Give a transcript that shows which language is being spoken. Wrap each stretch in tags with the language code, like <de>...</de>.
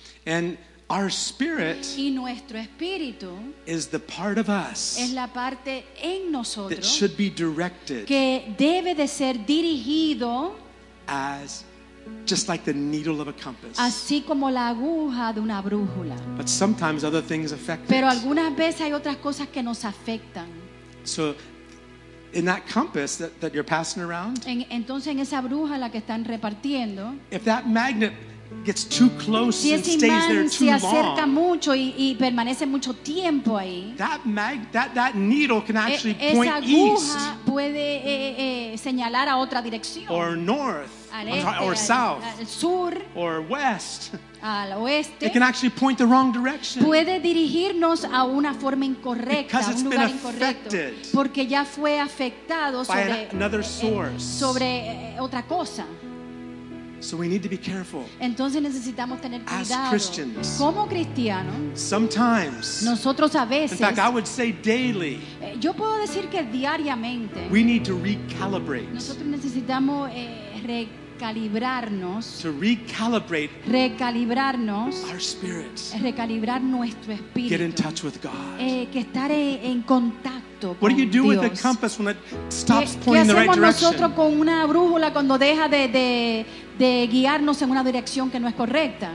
<en>And our spirit</en> <es>y nuestro espíritu</es> <en>is the part of us</en> <es>es la parte en nosotros</es> <en>that should be directed</en> <es>que debe de ser dirigido</es> <en>as just like the needle of a compass.</en> <es>Así como la aguja de una brújula.</es> <en>But sometimes other things affect</en> <es>pero algunas veces hay otras cosas que nos afectan.</es> <en>So in that compass that, that you're passing around,</en> <es>entonces en esa bruja la que están repartiendo,</es> <en>if that magnet gets too close</en> <es>si</es> <en>and stays there too long,</en> <es>se acerca mucho y permanece mucho tiempo ahí,</es> <en>that needle can actually point</en> <es>esa aguja</es> <en>east</en> <es>puede, señalar a otra dirección,</es> <en>or north,</en> <es>al este,</es> <en>or south,</en> <es>al sur,</es> <en>or west.</en> <es>Al oeste.</es> <en>It can actually point the wrong direction.</en> <es>Puede dirigirnos a una forma incorrecta,</es> <en>because it's</en> <es>a un lugar incorrecto, porque ya fue afectado sobre otra cosa.</es> <en>So we need to be careful.</en> <es>Entonces necesitamos tener cuidado.</es> <en>As Christians,</en> <es>como cristianos,</es> <en>sometimes,</en> <es>nosotros a veces,</es> <en>in fact, I would say daily,</en> <es>yo puedo decir que diariamente,</es> <en>we need to recalibrate.</en> <es>Nosotros necesitamos recalibrarnos,</es> <en>to recalibrate,</en> <es>recalibrarnos,</es> <en>our spirits,</en> <es>recalibrar nuestro espíritu,</es> <en>get in touch with God,</en> <es>que estar en contacto con</es> <en>Dios. What do you do</en> <es>Dios</es> <en>with a compass when it stops pointing the right direction?</en> <es>¿Qué hacemos nosotros con una brújula cuando deja de guiarnos en una dirección que no es correcta?</es>